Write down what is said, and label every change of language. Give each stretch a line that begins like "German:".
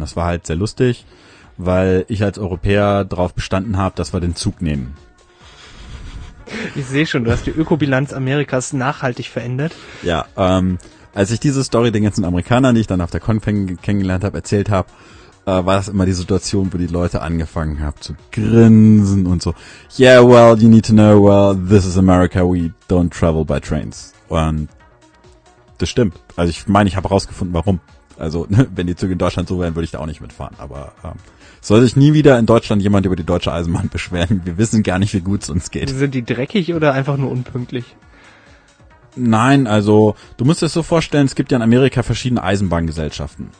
German: Das war halt sehr lustig, weil ich als Europäer darauf bestanden habe, dass wir den Zug nehmen. Ich sehe schon, du hast die Ökobilanz Amerikas nachhaltig verändert. Ja, als ich diese Story den ganzen Amerikanern, die ich dann auf der Con kennengelernt habe, erzählt habe, war das immer die Situation, wo die Leute angefangen haben zu grinsen und so.
English: Yeah, well, you need to know, well, this is America, we don't travel by trains.
German: Und das stimmt. Also ich meine, ich habe herausgefunden, warum. Also wenn die Züge in Deutschland so wären, würde ich da auch nicht mitfahren. Aber soll sich nie wieder in Deutschland jemand über die deutsche Eisenbahn beschweren? Wir wissen gar nicht, wie gut es uns geht. Sind die dreckig oder einfach nur unpünktlich? Nein, also du musst es so vorstellen, es gibt ja in Amerika verschiedene Eisenbahngesellschaften.